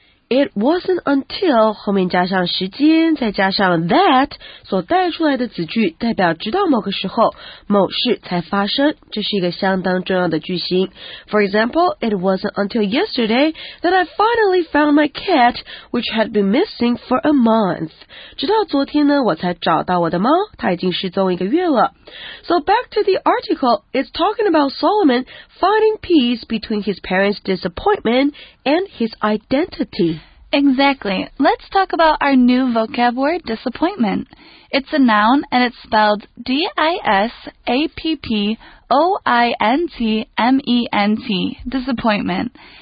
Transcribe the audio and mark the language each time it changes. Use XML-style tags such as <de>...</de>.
<en>It wasn't until</en> <zh>后面加上时间再加上 that 所带出来的子句代表直到某个时候某事才发生，这是一个相当重要的句型。</zh> <en>For example, it wasn't until yesterday that I finally found my cat, which had been missing for a month.</en> <zh>直到昨天呢，我才找到我的猫，它已经失踪一个月了。</zh> <en>So back to the article, it's talking about Solomon finding peace between his parents' disappointment and his identity. Exactly. Let's talk about our new vocab word, disappointment. It's a noun and it's spelled D-I-S-A-P-P-O-I-N-T-M-E-N-T, disappointment.</en>